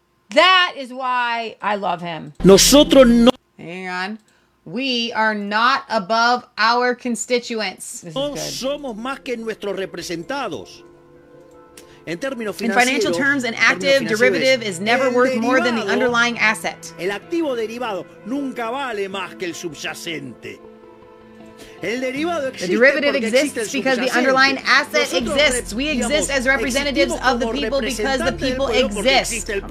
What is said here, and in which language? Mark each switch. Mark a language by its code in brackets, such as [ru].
[en] That is why I love him. [es] Nosotros no. [en] Hang on. We are not above our constituents. [es] No somos más que nuestros representados. En términos [en] financieros, in financial terms, an active derivative is never worth more than the underlying asset. [es] El activo derivado nunca vale más que el subyacente. [en] The derivative exists because the underlying asset exists. We exist as representatives of the people because the people exist.